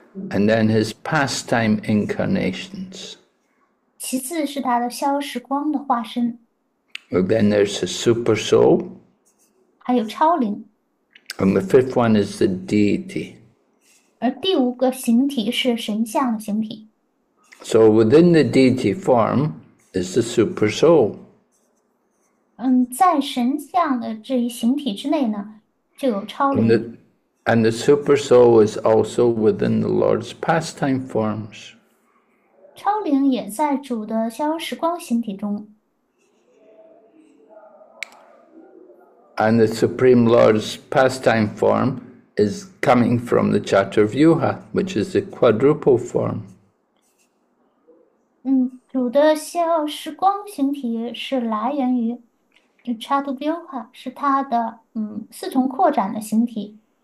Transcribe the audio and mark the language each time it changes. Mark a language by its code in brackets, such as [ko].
[en] And then his pastime incarnations. [zh] 其次是他的消时光的化身。 [en] And then there's a super soul. [zh] 还有超灵， [en] And the fifth one is the deity. [zh] 而第五个形体是神像的形体。 [en] So within the deity form is the super soul. [zh] 在神像的这一形体之内呢，就有超 [en] And [zh] 灵。 [en] the super soul is also within the Lord's pastime forms. [zh] 超灵也在主的逍遥时光形体中。 [en] And the Supreme Lord's pastime form is coming from the Chaturvyuha, which is the quadruple form. [zh] 主的逍遥时光形体是来源于 Chaturvyuha，是它的四重扩展的形体。